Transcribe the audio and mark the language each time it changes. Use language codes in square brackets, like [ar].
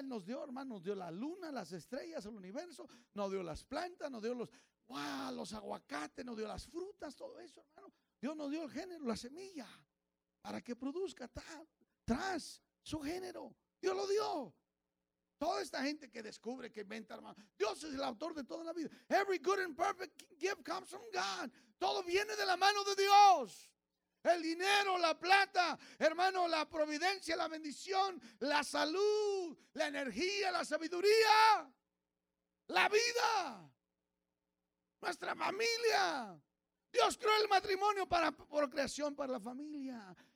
[es] Él nos dio, hermano, nos dio la luna, las estrellas, el universo. Nos dio las plantas, nos dio los... ¡Wow! Los aguacates, nos dio las frutas, todo eso, hermano. Dios nos dio el género, la semilla, para que produzca tal, tras su género. Dios lo dio. Toda esta gente que descubre, que inventa, hermano. Dios es el autor de toda la vida. [en] Every good and perfect gift comes from God. [es] Todo viene de la mano de Dios. El dinero, la plata, hermano, la providencia, la bendición, la salud, la energía, la sabiduría, la vida. Nuestra familia. Dios creó el matrimonio para procreación, para la familia.